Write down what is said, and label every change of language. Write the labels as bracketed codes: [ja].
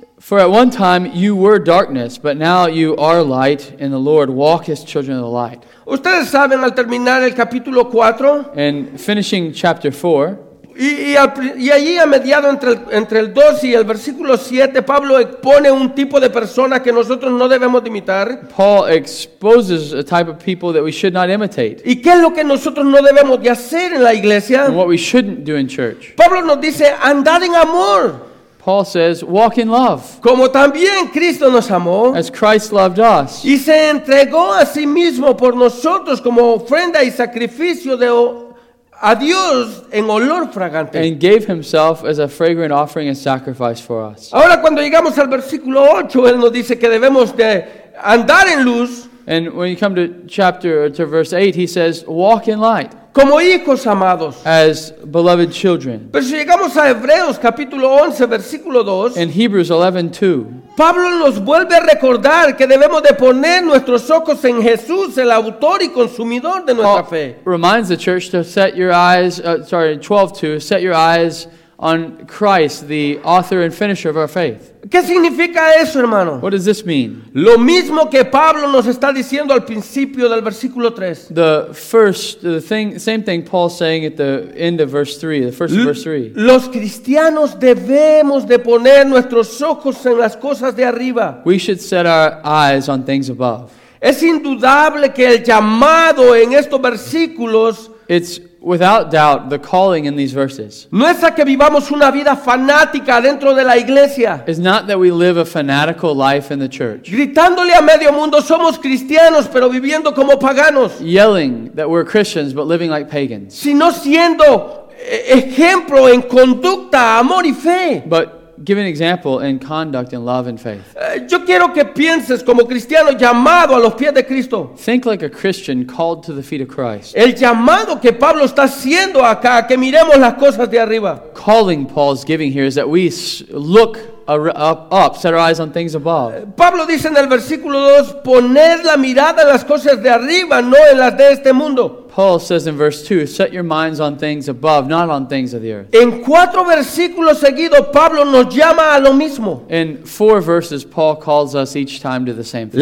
[en] For at one time you were darkness, but now you are light in the Lord. Walk as children of the light. [es] Ustedes saben, al terminar el capítulo 4, [en] and finishing chapter 4, [es] y allí a mediado entre el 2 y el versículo 7, Pablo expone un tipo de persona que nosotros no debemos imitar. [en] Paul exposes a type of people that we should not imitate. [es] ¿Y qué es lo que nosotros no debemos de hacer en la iglesia? [en] And what we shouldn't do in church. [es] Pablo nos dice, andad en amor. [en] Paul says, walk in love. [es] Como también Cristo nos amó. [en] As Christ loved us. [es] Y se entregó a sí mismo por nosotros como ofrenda y sacrificio de a Dios en olor fragante. [en] And gave himself as a fragrant offering and sacrifice for us. [es] Ahora cuando llegamos al versículo 8, él nos dice que debemos de andar en luz. [en] And when you come to verse 8, he says, walk in light. [es] Como hijos amados. [en] As beloved children. [es] Pero si llegamos a Hebreos capítulo 11 versículo 2. [en] In Hebrews 11:2. [es] Pablo nos vuelve a recordar que debemos de poner nuestros ojos en Jesús, el autor y consumidor de nuestra fe. [en] Reminds the church to set your eyes, 12:2, set your eyes on Christ, the author and finisher of our faith. [es] ¿Qué significa eso, hermano? [en] What does this mean? [es] Lo mismo que Pablo nos está diciendo al principio del versículo 3. [en] The same thing Paul's saying at the end of verse 3, the first of verse 3. [es] Los cristianos debemos de poner nuestros ojos en las cosas de arriba. [en] We should set our eyes on things above. [es] Es indudable que el llamado en estos versículos, [en] it's without doubt, the calling in these verses. [es] No es a que vivamos una vida fanática dentro de la iglesia. [en] It's not that we live a fanatical life in the church. [es] Gritándole a medio mundo, somos cristianos, pero viviendo como paganos. [en] Yelling that we're Christians, but living like pagans. [es] Sino siendo ejemplo en conducta, amor y fe. [en] But give an example in conduct and love and faith. [es] Yo quiero que pienses como cristiano llamado a los pies de Cristo. [en] Think like a Christian called to the feet of Christ. [es] El llamado que Pablo está haciendo acá, que miremos las cosas de arriba. [en] Calling Paul's giving here is that we look up, set our eyes on things above. [es] Pablo dice en el versículo 2, poned la mirada en las cosas de arriba, no en las de este mundo. [en] Paul says in verse 2, set your minds on things above, not on things of the earth. [es] En cuatro versículos seguidos, Pablo nos llama a lo mismo. [en] In four verses, Paul calls us each time to the same thing.